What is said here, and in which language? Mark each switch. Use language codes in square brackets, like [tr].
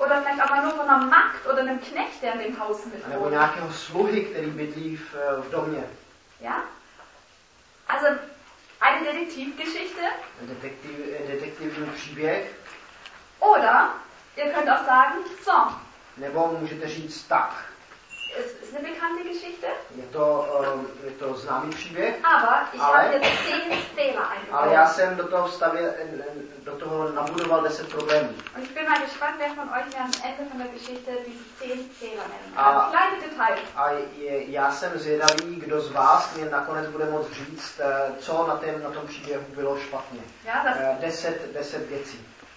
[de] Oder vielleicht aber nur von einer Magd oder einem Knecht, der in dem Haus mitwohnt. [cs] Nebo nějakého sluhy, který bydlí v domě. [de] Ja? Also eine Detektivgeschichte? [cs] Detektivní příběh? [de] Oder ihr könnt auch sagen, so. [cs] Nebo můžete říct tak. [de] Ist eine bekannte Geschichte? [cs] Je to známý příběh. [de] Aber ich habe jetzt 10 Fehler eingebaut. [cs] Ale já jsem do toho nabudoval 10 problémů. [de] Und ich bin mal gespannt, wer von euch am Ende von der Geschichte diese 10 Fehler nennen kann. Kleine Details. [cs] A já jsem zvědavý, kdo z vás mě nakonec bude moct říct, co na tom příběhu bylo špatně. Deset věcí.